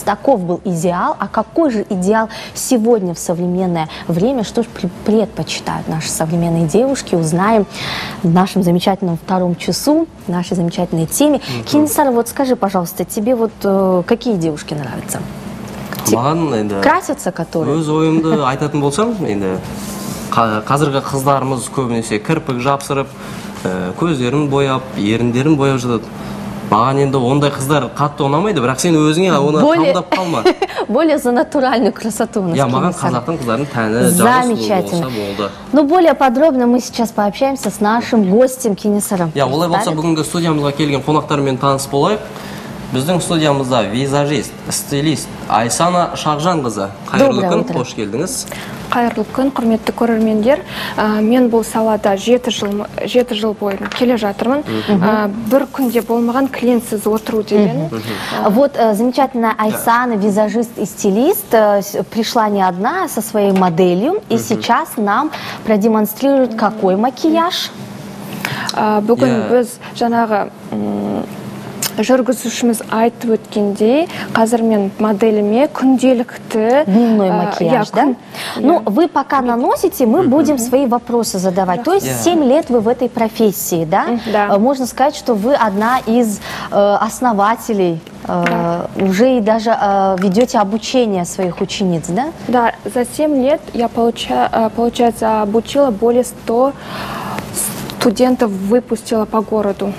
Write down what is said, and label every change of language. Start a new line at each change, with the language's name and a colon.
Russian: Таков был идеал. А какой же идеал сегодня в современное время? Что ж предпочитают наши современные девушки? Узнаем в нашем замечательном втором часу, в нашей замечательной теме. Кенесары, вот скажи, пожалуйста, тебе вот какие девушки нравятся? Красятся которые?
Kazakh: Өз ойымды айтатын болсам, енді қазіргі қыздарымыз көбінесе кірпік жапсырып, көздерін бояп, еріндерін бояп жатады. Маған енді ондай қыздар қатты ұнамайды, бірақ сен өзіңе оны қамдап қалма.
Russian: Более за натуральную красоту у нас.
Kazakh: Я маған қазақтың қыздарын тәні
Russian: замечательно. Ну, более подробно мы сейчас пообщаемся с нашим гостем Кенесаром.
Kazakh: Я олай болса бүгінгі студиямызға келген қонақтармен таныс болайық. Біздің студиямызда визажист, стилист Айсана Шағжанқызы. Қайырлы күн, қош келдіңіз. Қайырлы күн, құрметті көрермендер. Мен бұл салада 7 жыл бойы келе жатырмын. Бір күнде болмаған клиентсіз отыру деген.
Russian: Вот замечательная Айсана, визажист и стилист, пришла не одна, а со своей моделью. И сейчас нам продемонстрируют, какой макияж.
Kazakh: Бүгін біз жаңағы жүргізушіміз айтып өткендей, қазір мен моделіме күнделікті
Russian: дневной макияж, да? Ну, вы пока наносите, мы будем свои вопросы задавать. То есть 7 лет вы в этой профессии, да? Да. Можно сказать, что вы одна из основателей. Уже и даже ведете обучение своих учениц, да? Да, за 7 лет я, получается, обучила более 100 студентов, выпустила по городу.